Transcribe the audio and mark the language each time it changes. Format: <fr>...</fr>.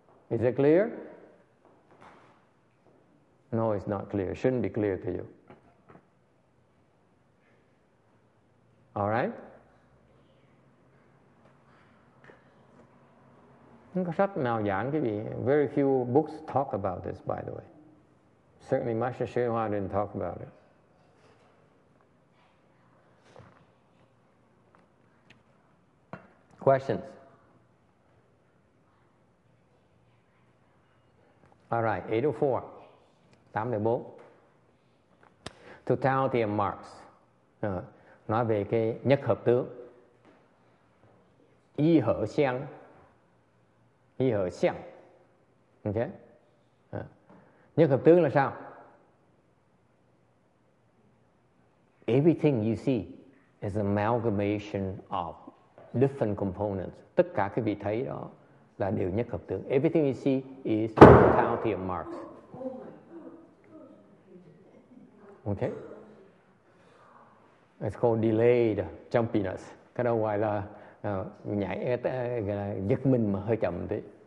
<en>Is it clear? No, it's not clear. It shouldn't be clear to you. All right?</en> <vi>Không có sách nào giảng cái gì.</vi> <en>Very few books talk about this, by the way. Certainly Master Sri Hoa didn't talk about it. Questions? All right, 804. 804. Totality of marks.</en> <vi>Nói về cái nhất hợp tướng. Y hở xiang. Y hở xiang. Ok? Nhất hợp tướng là sao?</vi> <en>Everything you see is an amalgamation of different components.</en> <vi>Tất cả cái vị thấy đó là đều nhất hợp tướng.</vi> <en>Everything you see is totality of marks. Ok? It's called delayed jumpiness.</en> <vi>Cái đó ngoài là nhảy, là giật mình mà hơi chậm thế.</vi>